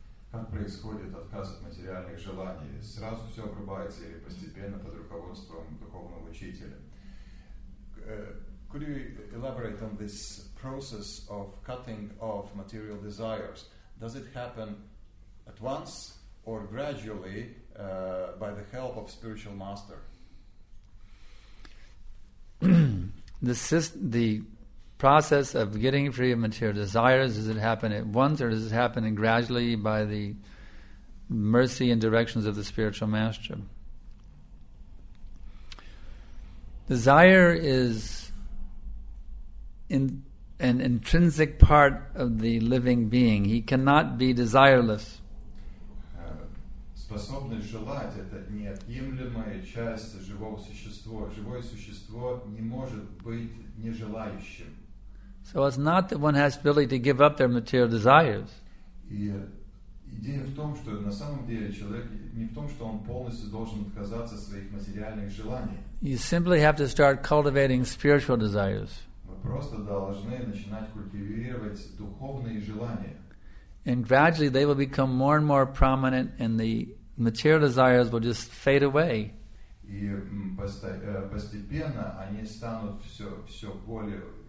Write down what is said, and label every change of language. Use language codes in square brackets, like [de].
[ru] Как происходит отказ от материальных желаний? Сразу все обрубается или постепенно под руководством духовного учителя? [en] Could you elaborate on this process of cutting off material desires? Does it happen at once or gradually by the help of spiritual master? The process of getting free of material desires, does it happen at once or does it happen gradually by the mercy and directions of the spiritual master? Desire is an intrinsic part of the living being. He cannot be desireless. [ru] Способность желать — это неотъемлемая часть живого существа. Живое существо не может быть нежелающим. [en] So it's not that one has really to give up their material desires. [ru] И идея в том, что на самом деле человек не в том, что он полностью должен отказаться от своих материальных желаний. [en] You simply have to start cultivating spiritual desires. [ru] Мы просто должны начинать культивировать духовные желания. [en] And gradually they will become more and more prominent, and the material desires will just fade away. [ru] И постепенно они станут все более